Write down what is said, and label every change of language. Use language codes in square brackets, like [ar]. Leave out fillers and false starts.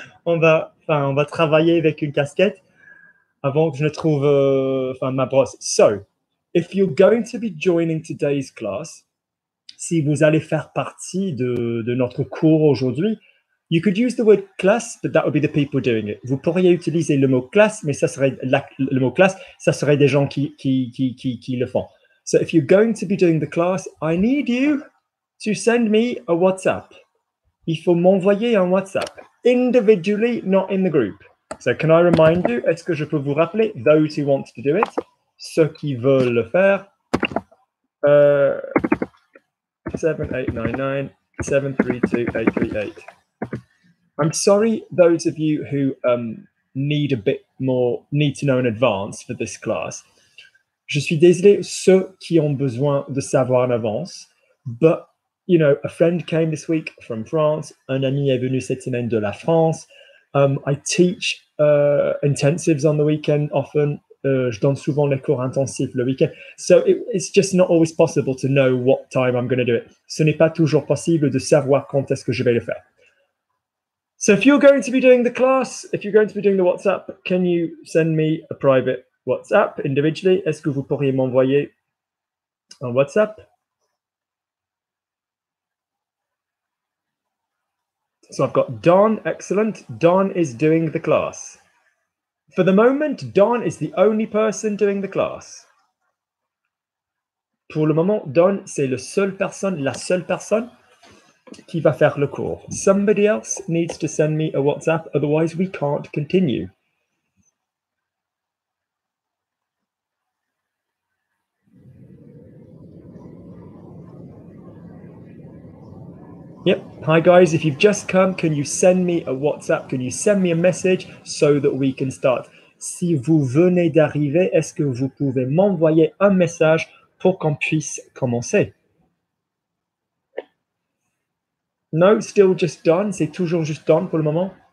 [fr] On va travailler avec une casquette avant que je ne trouve ma brosse. [en] So, if you're going to be joining today's class, [fr] si vous allez faire partie de notre cours aujourd'hui, [en] you could use the word class, but that would be the people doing it. [fr] Vous pourriez utiliser le mot classe, mais ça serait le mot classe, ça serait des gens qui le font. [en] So if you're going to be doing the class, I need you to send me a WhatsApp. [fr] Il faut m'envoyer un WhatsApp, [en] individually, not in the group. So can I remind you, [fr] est-ce que je peux vous rappeler, [en] those who want to do it, [fr] ceux qui veulent le faire, [en] 7899-732-838. I'm sorry, those of you who need to know in advance for this class. [fr] Je suis désolé, ceux qui ont besoin de savoir en avance. [en] But, you know, a friend came this week from France. [fr] Un ami est venu cette semaine de la France. [en] I teach intensives on the weekend often. [fr] Je donne souvent les cours intensifs le week-end. [en] So it's just not always possible to know what time I'm going to do it. [fr] Ce n'est pas toujours possible de savoir quand est-ce que je vais le faire. [en] So if you're going to be doing the class, if you're going to be doing the WhatsApp, can you send me a private WhatsApp individually? [fr] Est-ce que vous pourriez m'envoyer un WhatsApp? [en] So I've got Don, excellent. Don is doing the class. For the moment, Don is the only person doing the class. [fr] Pour le moment, Don, c'est la seule personne qui va faire le cours. [en] Somebody else needs to send me a WhatsApp, otherwise we can't continue. Yep. Hi, guys. If you've just come, can you send me a WhatsApp? Can you send me a message so that we can start? [fr] Si vous venez d'arriver, est-ce que vous pouvez m'envoyer un message pour qu'on puisse commencer? [en] No, still just Don. [fr] C'est toujours juste Don pour le moment.